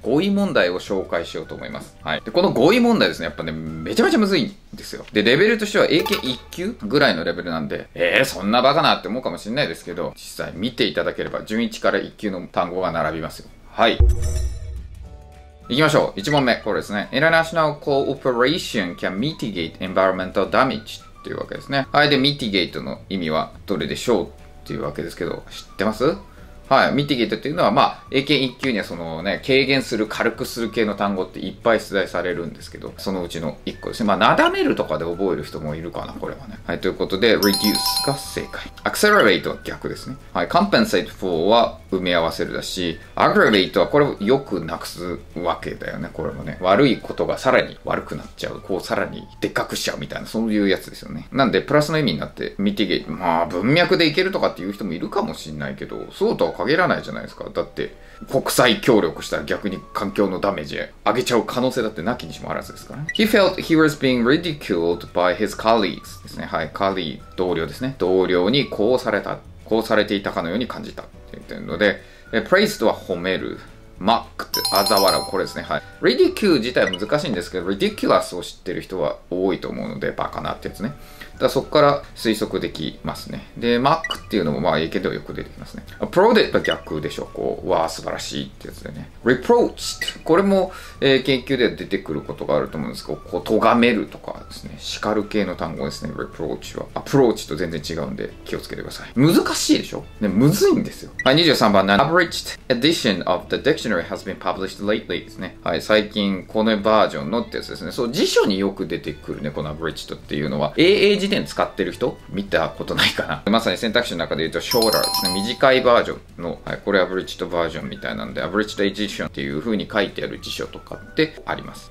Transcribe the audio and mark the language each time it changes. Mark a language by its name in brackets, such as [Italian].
[Japanese] 語彙問題を紹介しようと思います。はい。で、この語彙問題ですね。やっぱね、めちゃめちゃむずいんですよ。で、レベルとしては AK1 級ぐらいのレベルなんで、そんなバカなって思うかもしれないですけど、実際見ていただければ、順1から1級の単語が並びますよ。はい。行きましょう。1問目、これですね。 [English] International cooperation can mitigate environmental damage [Japanese] っていうわけですね。はい。で、mitigate の意味はどれでしょうっていうわけですけど、知ってます？はい。 mitigate っていうのは、まあ、英検1級にはそのね、軽減する、軽くする系の単語っていっぱい出題されるんですけど、そのうちの1個ですね。まあ、なだめるとかで覚える人もいるかな、これはね。はい。ということで、reduce が正解。 accelerate は逆ですね。はい。compensate for は埋め合わせるだし、aggravate はこれをよくなくすわけだよね、これもね。悪いことがさらに悪くなっちゃう。こう、さらにでっかくしちゃうみたいな、そういうやつですよね。なんで、プラスの意味になって、mitigate、まあ、文脈でいけるとかっていう人もいるかもしれないけど、そうとは限らないじゃないですか。だって国際協力したら逆に環境のダメージ上げちゃう可能性だってなきにしもあらずですからね。 [English] He felt he was being ridiculed by his colleagues ですね。 [Japanese] はい、同僚ですね。同僚にこうされた、こうされていたかのように感じたって言ってるので、praise とは褒める。 mock って嘲笑う、これですね。はい。ridicule 自体は難しいんですけど、ridiculous を知ってる人は多いと思うので、バカなってやつね。だそこから推測できますね。で、mock っていうのも、まあ、英検ではよく出てきますね。 applaud は逆でしょう。こう、わー素晴らしいってやつでね。 reproached、これも、研究では出てくることがあると思うんですけど、こう、咎めるとかですね。叱る系の単語ですね。reproach は。 approach と全然違うんで、気をつけてください。難しいでしょ？ね、むずいんですよ。はい、23番ね。 [English] abridged edition of the dictionary has been published lately ですね。 [Japanese] はい、最近、このバージョンのってやつですね。そう、辞書によく出てくるね、この abridged っていうのは。辞典使ってる人見たことないかな。まさに選択肢の中で言うとショーラーですね。短いバージョンの、はい、これアブリッジドバージョンみたいなんで、アブリッジドエディションっていう風に書いてある辞書とかってあります。